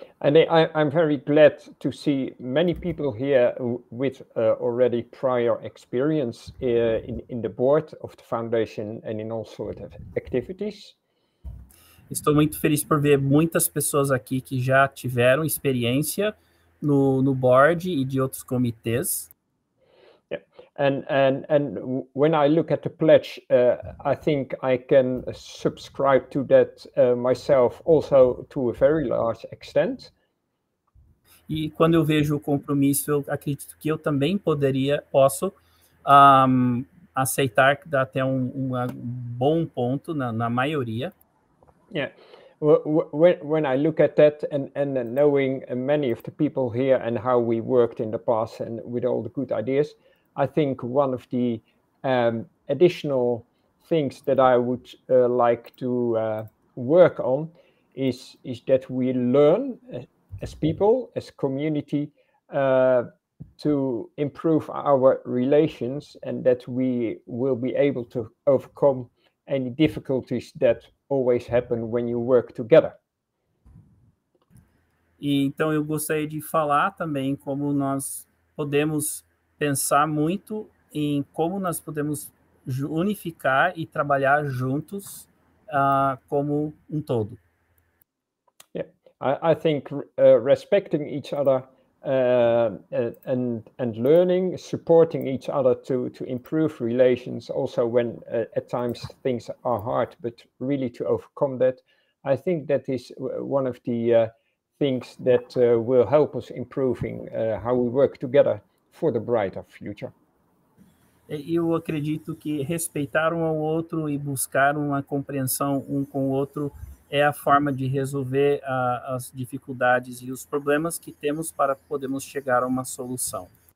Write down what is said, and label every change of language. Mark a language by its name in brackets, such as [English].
[English] And I'm very glad to see many people here with already prior experience in the board of the foundation and in all sorts of activities. [Portuguese] Estou muito feliz por ver muitas pessoas aqui que já tiveram experiência no board e de outros comitês. [English] And when I look at the pledge, I think I can subscribe to that myself also to a very large extent. [Portuguese] E quando eu vejo o compromisso, eu acredito que eu também posso aceitar dar até um bom ponto na maioria. [English] Yeah. When I look at that and knowing many of the people here and how we worked in the past and with all the good ideas, I think one of the additional things that I would like to work on is that we learn as people, as community, to improve our relations and that we will be able to overcome any difficulties that always happen when you work together. [Portuguese] E, então, eu gostaria de falar também como nós podemos pensar muito em como nós podemos unificar e trabalhar juntos como um todo. [English] I think respecting each other and learning, supporting each other to improve relations, also when at times things are hard, but really to overcome that, I think that is one of the things that will help us improving how we work together for the brighter future. [Portuguese] Eu acredito que respeitar um ao outro e buscar uma compreensão um com o outro é a forma de resolver as dificuldades e os problemas que temos para podermos chegar a uma solução.